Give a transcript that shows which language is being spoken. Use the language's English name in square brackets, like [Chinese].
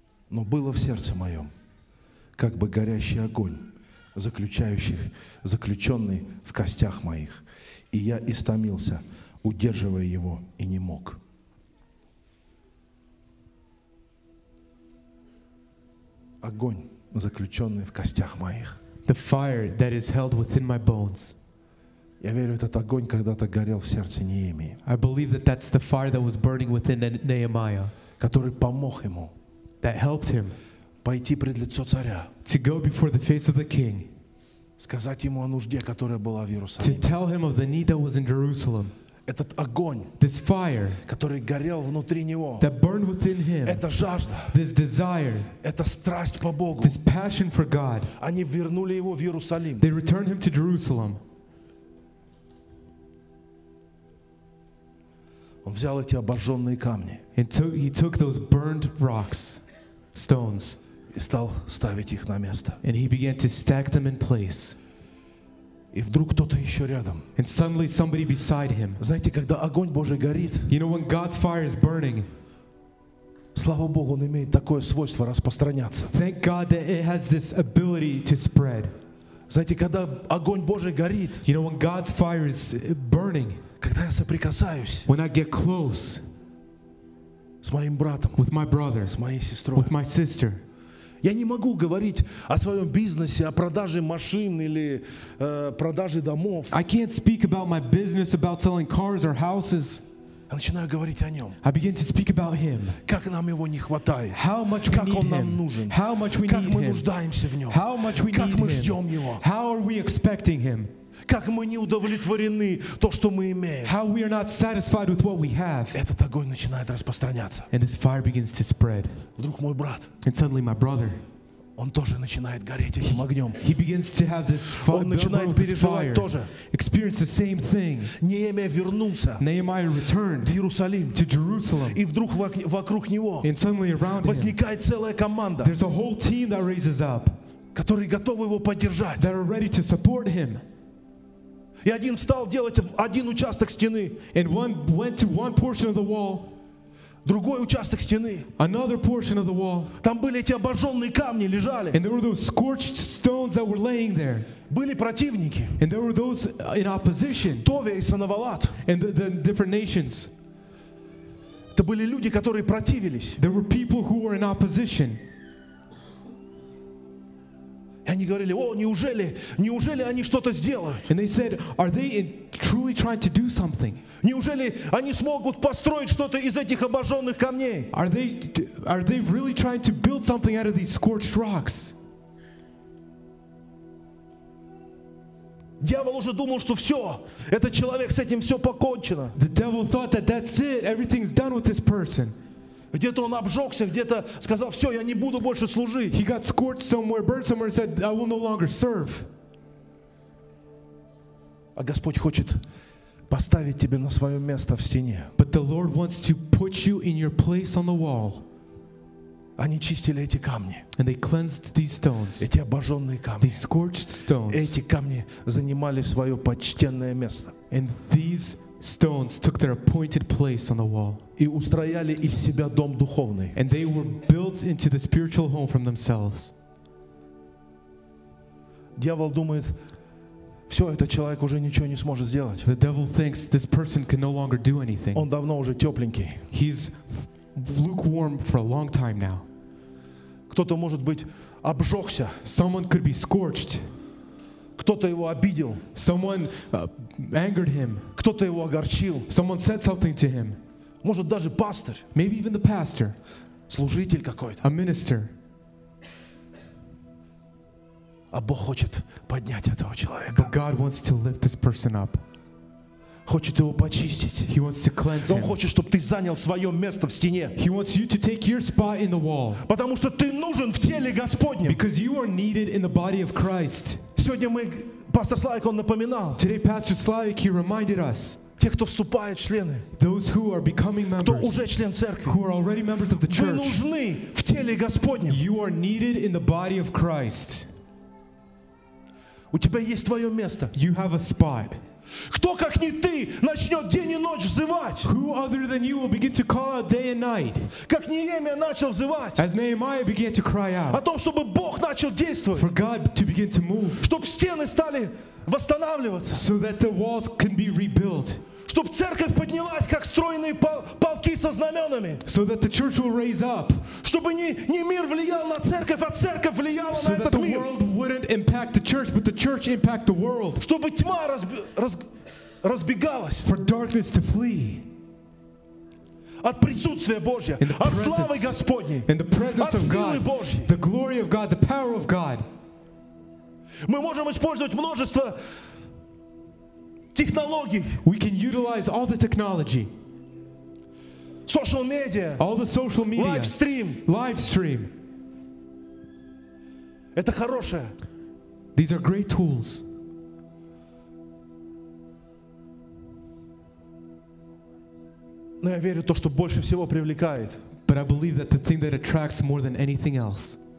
[Russian] Но но было в сердце моем, как бы горящий огонь, заключенный в костях моих. И я истомился, удерживая его, и не мог. Огонь, заключенный в костях моих. [English] The fire that is held within my bones. [Russian] Я верю, этот огонь когда-то горел в сердце Неемии. [English] I believe that that's the fire that was burning within Nehemiah. [Russian] Который помог ему. [English] That helped him. [Russian] Пойти пред лицо царя. [English] To go before the face of the king. [Russian] Сказать ему о нужде, которая была в Иерусалиме. [English] To tell him of the need that was in Jerusalem. [Russian] Этот огонь, [English] this fire, [Russian] который горел внутри него, [English] that burned within him, [Russian] эта жажда, [English] this desire, [Russian] эта страсть по Богу, [English] this passion for God, [Russian] они вернули его в Иерусалим. [English] They returned him to Jerusalem. [Russian] Он взял эти обожженные камни, [English] and he took those burned rocks, stones, [Russian] и стал ставить их на место, [English] and he began to stack them in place. [Russian] И вдруг кто-то еще рядом. [English] And suddenly somebody beside him. [Russian] Знаете, когда огонь Божий горит, [English] you know, when God's fire is burning, [Russian] слава Богу, он имеет такое свойство распространяться. [English] Thank God that it has this ability to spread. [Russian] Знаете, когда огонь Божий горит, [English] you know, when God's fire is burning, [Russian] когда я соприкасаюсь, [English] when I get close, [Russian] с моим братом, [English] with my brother, [Russian] с моей сестрой, [English] with my sister, [Russian] я не могу говорить о своем бизнесе, о продаже машин или продаже домов. [English] I can't speak about my business, about selling cars or houses. [Russian] Я начинаю говорить о нем. [English] I begin to speak about him. [Russian] Как нам его не хватает. [English] How much [Russian] как [English] we need [Russian] он [English] him. [Russian] Нам нужен. [English] How much we [Russian] как [English] need [Russian] мы [English] him. [Russian] Нуждаемся в нем. [English] How much we [Russian] как [English] need [Russian] мы [English] him. [Russian] Ждем его. [English] How are we expecting him? [Russian] Как мы не удовлетворены то, что мы имеем. [English] How we are not satisfied with what we have. [Russian] Этот огонь начинает распространяться. [English] And this fire begins to spread. [Russian] Вдруг мой брат. [English] And suddenly my brother. [Russian] Он тоже начинает гореть этим огнем. [English] He begins to have this fire. [Russian] Он начинает переживать тоже. [English] Experience the same thing. [Russian] Неемия вернулся. [English] Nehemiah returned. [Russian] В Иерусалим. [English] To Jerusalem. [Russian] И вдруг вокруг него. [English] And suddenly around him. [Russian] Возникает целая команда. [English] There's a whole team that raises up. [Russian] Которые готовы его поддержать. [English] That are ready to support him. [Russian] И один стал делать один участок стены. [English] And one went to one portion of the wall. [Russian] Другой участок стены. [English] Another portion of the wall. [Russian] Там были эти обожженные камни лежали. [English] And there were those scorched stones that were laying there. [Russian] Были противники. [English] And there were those in opposition. [Russian] Товия и Санавалат. [English] And the different nations. [Russian] Это были люди, которые противились. [English] There were people who were in opposition. [Russian] И они говорили: «О, неужели они что-то сделают?» [English] And they said, are they truly trying to do something? [Russian] Неужели они смогут построить что-то из этих обожженных камней? [English] Are they really trying to build something out of these scorched rocks? [Russian] Дьявол уже думал, что все, этот человек с этим все покончено. [English] The devil thought that that's it, everything's done with this person. [Russian] Где-то он обжегся, где-то сказал: «Все, я не буду больше служить». [English] He got scorched somewhere, burned somewhere, and said, I will no longer serve. [Russian] А Господь хочет поставить тебя на свое место в стене. [English] But the Lord wants to put you in your place on the wall. [Russian] Они чистили эти камни. [English] And they cleansed these stones. [Russian] Эти обожженные камни. [English] These scorched stones. [Russian] Эти камни занимали свое почтенное место. [English] And these stones took their appointed place on the wall. [Russian] И устрояли из себя дом духовный. [English] And they were built into the spiritual home from themselves. [Russian] Дьявол думает: все, этот человек уже ничего не сможет сделать. [English] The devil thinks this person can no longer do anything. [Russian] Он давно уже тепленький. [English] He's lukewarm for a long time now. [Russian] Кто-то может быть обжегся. [English] Someone could be scorched. [Russian] Кто-то его обидел. [English] Someone angered him. [Russian] Кто-то его огорчил. [English] Someone said something to him. [Russian] Может даже пастор. [English] Maybe even the pastor. [Russian] Служитель какой-то. [English] A minister. [Russian] А Бог хочет поднять этого человека. [English] But God wants to lift this person up. [Russian] Хочет его почистить. [English] He wants to cleanse him. [Russian] Он хочет, чтобы ты занял свое место в стене. [English] He wants you to take your spot in the wall. [Russian] Потому что ты нужен в теле Господнем. [English] Because you are needed in the body of Christ. [Russian] Сегодня мы, пастор Славик, он напоминал. [English] Today, Pastor Slavik, he reminded us. [Russian] Те, кто вступает в члены. [English] Those who are becoming members. [Russian] Кто уже член церкви. [English] Who are already members of the church. [Russian] Вы нужны в теле Господнем. [English] You are needed in the body of Christ. [Russian] У тебя есть твое место. [English] You have a spot. [Russian] Кто как не ты начнет день и ночь взывать? [English] Who other than you will begin to call out day and night? [Russian] Как Неемия начал взывать? [English] As Nehemiah began to cry out. [Russian] О том, чтобы Бог начал действовать. [English] For God to begin to move. [Russian] Чтоб стены стали восстанавливаться. [English] So that the walls can be rebuilt. [Russian] Чтоб церковь поднялась, как стройные полки со знаменами. [English] So that the church will raise up. [Russian] Чтобы не мир влиял на церковь, а церковь влияла [English] so [Russian] на этот мир. [English] So that the world wouldn't impact the church, but the church impact the world. [Russian] Чтобы тьма разбегалась. [English] For darkness to flee. [Russian] От присутствия Божьего, от славы Господней. [English] In the presence of God. [Russian] От силы Божьей. [English] The glory of God, the power of God. [Russian] Мы можем использовать множество технологий. [English] We can utilize all the technology. Social media. All the social media. Live stream. Live stream. [Russian] Это хорошее. [English] These are great tools. [Russian] Но я верю в то, что больше всего привлекает. [English] But I believe that the thing that attracts more than anything else.